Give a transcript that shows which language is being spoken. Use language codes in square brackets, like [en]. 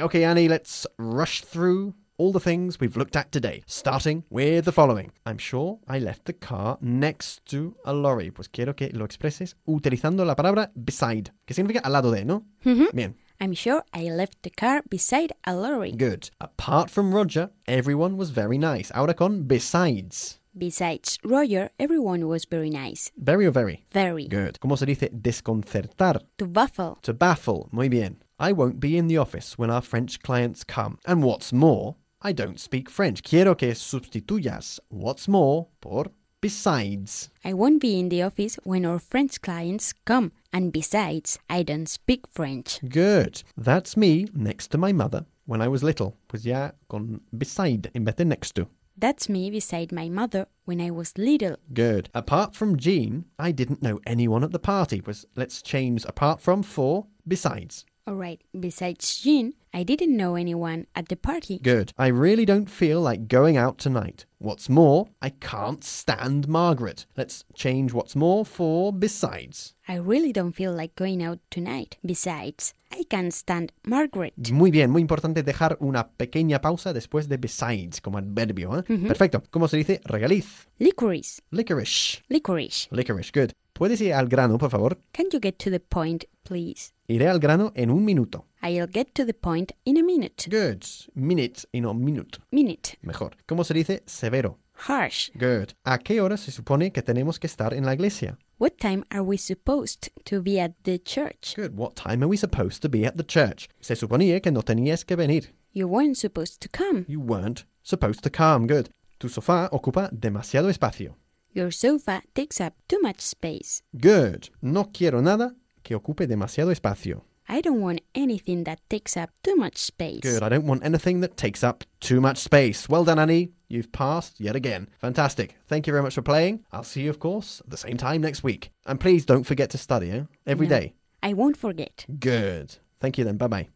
[en] Okay, Annie, let's rush through all the things we've looked at today, starting with the following. I'm sure I left the car next to a lorry. [es] Pues quiero que lo expreses utilizando la palabra beside. ¿Qué significa al lado de, no? Mm-hmm. Bien. [en] I'm sure I left the car beside a lorry. Good. Apart from Roger, everyone was very nice. [es] Ahora con besides. [en] Besides Roger, everyone was very nice. Very or very? Very. Good. [es] ¿Cómo se dice desconcertar? [en] To baffle. To baffle. [es] Muy bien. [en] I won't be in the office when our French clients come. And what's more, I don't speak French. [es] Quiero que sustituyas what's more por besides. [en] I won't be in the office when our French clients come. And besides, I don't speak French. Good. That's me next to my mother when I was little. [es] Pues ya con beside en vez de next to. [en] That's me beside my mother when I was little. Good. Apart from Jean, I didn't know anyone at the party. Pues let's change apart from for besides. All right. Besides Jean, I didn't know anyone at the party. Good. I really don't feel like going out tonight. What's more, I can't stand Margaret. Let's change what's more for besides. I really don't feel like going out tonight. Besides, I can't stand Margaret. [es] Muy bien. Muy importante dejar una pequeña pausa después de besides como adverbio. ¿Eh? Mm-hmm. Perfecto. ¿Cómo se dice regaliz? [en] Licorice. Licorice. Licorice. Licorice. Good. [es] ¿Puedes ir al grano, por favor? [en] Can you get to the point, please? [es] Iré al grano en un minuto. [en] I'll get to the point in a minute. Good. Minute y no minute. Minute. [es] Mejor. ¿Cómo se dice severo? [en] Harsh. Good. [es] ¿A qué hora se supone que tenemos que estar en la iglesia? [en] What time are we supposed to be at the church? Good. What time are we supposed to be at the church? [es] Se suponía que no tenías que venir. [en] You weren't supposed to come. You weren't supposed to come. Good. [es] Tu sofá ocupa demasiado espacio. [en] Your sofa takes up too much space. Good. [es] No quiero nada que ocupe demasiado espacio. [en] I don't want anything that takes up too much space. Good. I don't want anything that takes up too much space. Well done, Annie. You've passed yet again. Fantastic. Thank you very much for playing. I'll see you, of course, at the same time next week. And please don't forget to study, eh? Every day. I won't forget. Good. Thank you then. Bye-bye.